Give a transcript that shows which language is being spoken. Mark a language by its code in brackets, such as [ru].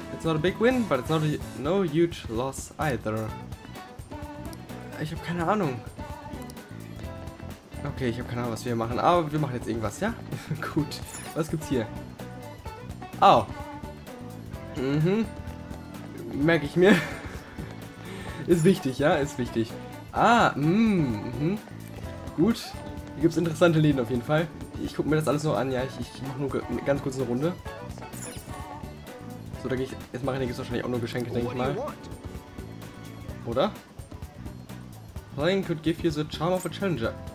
[en] It's not a big win, but it's not a no huge loss either. [de] Ich habe keine Ahnung. Okay, ich habe keine Ahnung, was wir machen. Aber wir machen jetzt irgendwas, ja? Gut. Was gibt's hier? Oh, Mhm. Merke ich mir. Ist wichtig, ja, ist wichtig. Ah, Gut. Hier gibt es interessante Läden auf jeden Fall. Ich gucke mir das alles noch an. Ja, ich mache nur ganz kurz eine Runde. So, da gehe ich. Jetzt mache ich nichts, wahrscheinlich auch nur Geschenke, denke ich mal. Oder? [en] Playing could give you the charm of a challenger.